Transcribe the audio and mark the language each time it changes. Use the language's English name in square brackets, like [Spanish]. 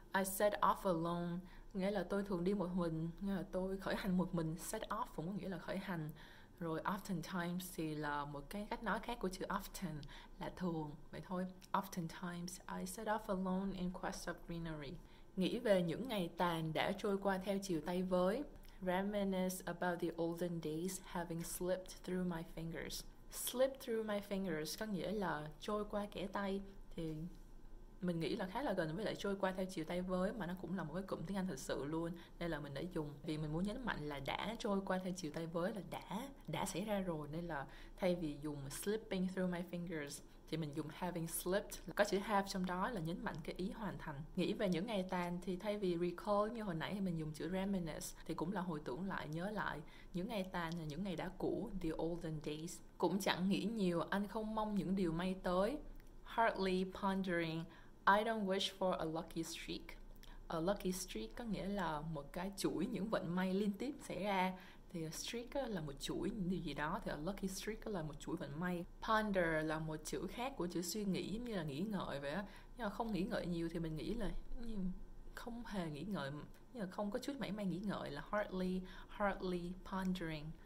[English] I set off alone [Vietnamese] nghĩa là tôi thường đi một mình, nghĩa là tôi khởi hành một mình. Set off cũng có nghĩa là khởi hành. Rồi oftentimes thì là một cái cách nói khác của chữ often là thường. Vậy thôi, [English] oftentimes I set off alone in quest of greenery. [Vietnamese] Nghĩ về những ngày tàn đã trôi qua theo chiều tay với. [English] Reminisce about the olden days having slipped through my fingers. [Vietnamese] Slipped through my fingers có nghĩa là trôi qua kẽ tay. Thì mình nghĩ là khá là gần với lại trôi qua theo chiều tay với, mà nó cũng là một cái cụm tiếng Anh thật sự luôn, nên là mình đã dùng vì mình muốn nhấn mạnh là đã trôi qua theo chiều tay với là đã xảy ra rồi, nên là thay vì dùng [English] slipping through my fingers [Vietnamese] thì mình dùng having slipped, có chữ have trong đó là nhấn mạnh cái ý hoàn thành. Nghĩ về những ngày tàn thì thay vì recall như hồi nãy thì mình dùng chữ reminisce, thì cũng là hồi tưởng lại, nhớ lại. Những ngày tàn là những ngày đã cũ, the olden days. Cũng chẳng nghĩ nhiều, anh không mong những điều may tới. [English] Hardly pondering, I don't wish for a lucky streak. [Vietnamese] A lucky streak có nghĩa là một cái chuỗi những vận may liên tiếp xảy ra. Thì streak là một chuỗi những điều gì đó, thì a lucky streak là một chuỗi vận may. Ponder là một chữ khác của chữ suy nghĩ, như là nghĩ ngợi vậy á. Nhưng mà không nghĩ ngợi nhiều thì mình nghĩ là không hề nghĩ ngợi, nhưng mà không có chút mảy may nghĩ ngợi là hardly, hardly pondering.